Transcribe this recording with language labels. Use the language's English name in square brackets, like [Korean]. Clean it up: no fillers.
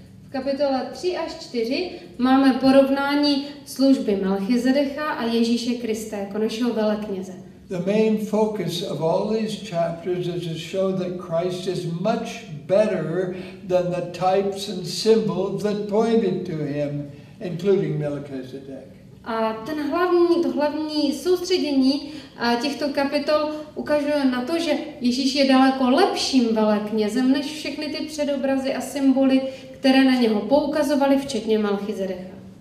[Czech] V kapitole 3 až 4 máme porovnání služby Melchizedecha a Ježíše Krista jako našeho velekněze. [English] The main focus of all these chapters is to show that Christ is much better than the types and symbols that pointed to him, including Melchizedek. [Czech] A ten hlavní, to hlavní soustředění těchto kapitol ukazuje na to, že Ježíš je daleko lepším veleknězem než všechny ty předobrazy a symboly, které na něho poukazovaly, včetně Melchizedecha.